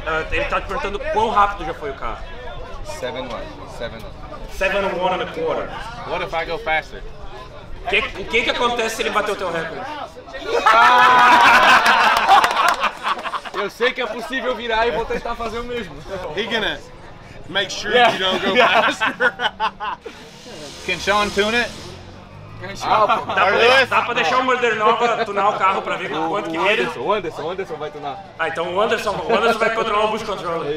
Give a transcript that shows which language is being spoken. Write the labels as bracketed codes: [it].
[pt] Ele tá te perguntando quão rápido já foi o carro. [en] 7-1 and a quarter. What if I go faster? [pt] O que acontece se ele bater o teu recorde? Eu sei que é possível virar e vou tentar fazer o mesmo. [en] He gonna make sure you don't go faster. Can Sean tune it? [pt] Dá pra deixar o Modernova tunar o carro pra ver quanto que ele... O Anderson vai tunar. Ah, então o Anderson vai controlar o boost controller.